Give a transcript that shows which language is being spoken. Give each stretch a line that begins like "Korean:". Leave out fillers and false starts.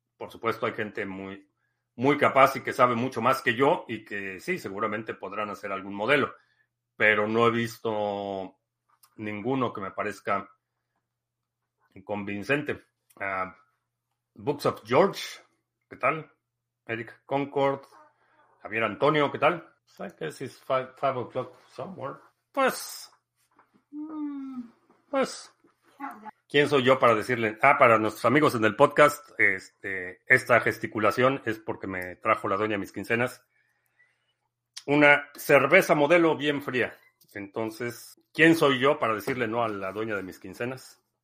Spanish: Por supuesto, hay gente muy, muy capaz y que sabe mucho más que yo y que sí, seguramente podrán hacer algún modelo, pero no he visto ninguno que me parezca convincente. Books of George, ¿qué tal? Eric Concord, Javier Antonio, ¿qué tal?
English: I guess it's 5 o'clock somewhere.
Spanish: Pues, ¿quién soy yo para decirle? Para nuestros amigos en el podcast, esta gesticulación es porque me trajo la doña mis quincenas. Una cerveza modelo bien fría. Entonces, ¿quién soy yo para decirle no a la dueña de mis quincenas?